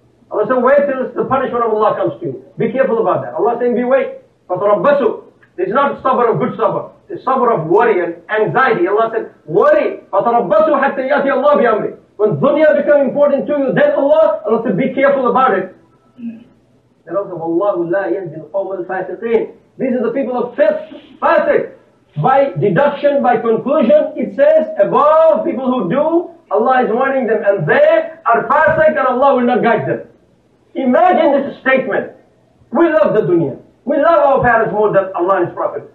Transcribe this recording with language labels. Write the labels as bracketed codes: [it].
[en] Allah said, wait till the punishment of Allah comes to you. Be careful about that. Allah saying, be wait. [ar] فَتَرَبَّسُ. [en] It's not sabr of good sabr. It's sabr of worry and anxiety. Allah said, worry. [ar] فَتَرَبَّسُ حَتَّى يَأْتِيَ اللَّهُ بِأَمْرِ. [en] When dunya becomes important to you, then Allah said, be careful about it. Then Allah said, [ar] وَاللَّهُ لَا يَهْدِي الْقَوْمَ الْفَاسِقِينَ. [en] These are the people of fifth fasiq. By deduction, by conclusion, it says, above people who do, Allah is warning them, and they are fasiq, and Allah will not guide them. Imagine this statement. We love the dunya. We love our parents more than Allah and His Prophet.